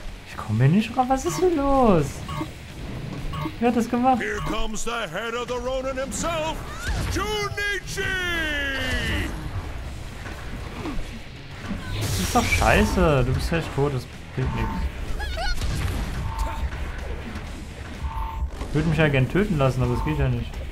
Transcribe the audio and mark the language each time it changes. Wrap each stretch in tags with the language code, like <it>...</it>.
<de>Ich komme hier nicht rauf, was ist denn los? Wer hat das gemacht?</de> <en>Here comes the head of the Ronin himself, Junichi!</en> <de>Das ist doch scheiße, du bist echt tot, das bringt nichts. Würde mich ja gern töten lassen, aber es geht ja nicht.</de>